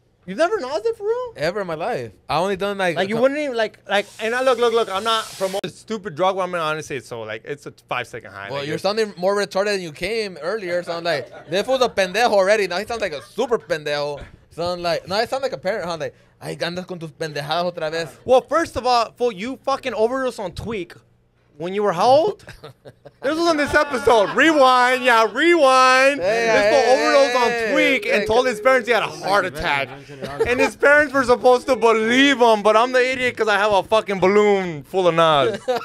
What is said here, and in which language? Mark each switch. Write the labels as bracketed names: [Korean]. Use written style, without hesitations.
[English] You've never nosed it for real? Ever in my life. I only done like. Like, you wouldn't even, like, and I look, I'm not promoting a stupid drug, but I'm gonna honestly, it's so, like, it's a 5 second high. Well, you're sounding more retarded than you came earlier, so I'm like, this fool's a pendejo already. Now he sounds like a super pendejo. So I'm like, no, I sound like a parent, huh? [Spanish] Like, ay, andas con tus pendejadas otra vez. [English] Well, first of all, fool, you fucking overdosed on Tweak when you were how old? This was on this episode. Rewind. Yeah, rewind. Hey, this fool overdosed on Tweak and told his parents he had a heart attack. And his parents were supposed to believe him, but I'm the idiot because I have a fucking balloon full of Nas.